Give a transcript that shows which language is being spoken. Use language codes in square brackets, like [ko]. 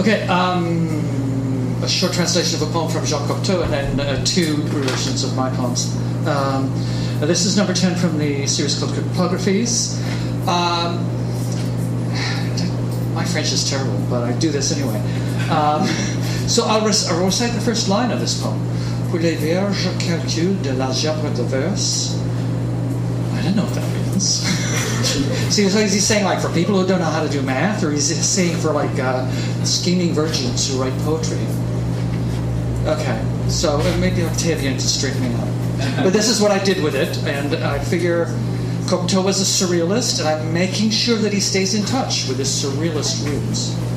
[en] Okay, a short translation of a poem from Jacques Cocteau and then two versions of my poems. This is number 10 from the series called Cryptographies. My French is terrible, but I do this anyway. So I'll recite the first line of this poem. [fr] Pour les vierges calculs de l'algèbre de verse. [en] I don't know what that means. See, so is he saying, like, for people who don't know how to do math, or is he saying for, like, scheming virgins who write poetry? Okay, so maybe Octavian to straighten me up. But this is what I did with it, and I figure Cocteau is a surrealist, and I'm making sure that he stays in touch with his surrealist roots.